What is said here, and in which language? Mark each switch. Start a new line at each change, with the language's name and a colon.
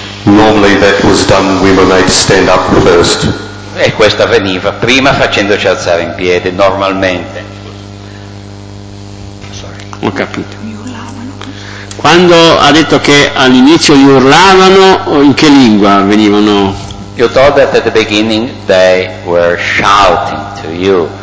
English: Normally that was done when we made stand up first.
Italian: E questo avveniva prima facendoci alzare in piedi normalmente. Sorry. Ho capito. Quando ha detto che all'inizio gli urlavano, in che lingua venivano?
English: You told that at the beginning they were shouting to you.